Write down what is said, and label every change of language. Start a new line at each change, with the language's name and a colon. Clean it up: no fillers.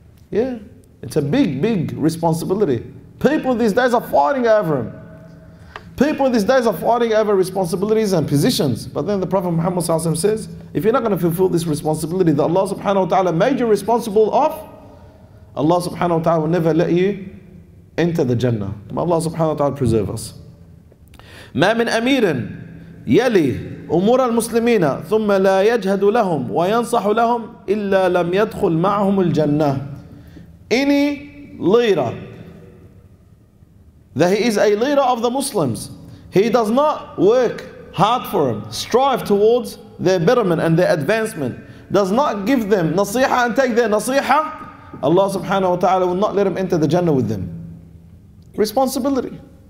English: Yeah, it's a big, big responsibility. People these days are fighting over them. People these days are fighting over responsibilities and positions. But then the Prophet Muhammad sallallahu alaihi wasallam says, if you're not going to fulfill this responsibility that Allah subhanahu wa ta'ala made you responsible of, Allah subhanahu wa ta'ala will never let you enter the Jannah. May Allah subhanahu wa ta'ala preserve us.
Arabic: ما من أمير يلي أمور المسلمين ثم لا يجهد لهم وينصح لهم إلا لم يدخل معهم الجنة.
English: Any leader that he is a leader of the Muslims, he does not work hard for them, strive towards their betterment and their advancement, does not give them nasiha and take their nasiha, Allah subhanahu wa ta'ala will not let him enter the Jannah with them. Responsibility.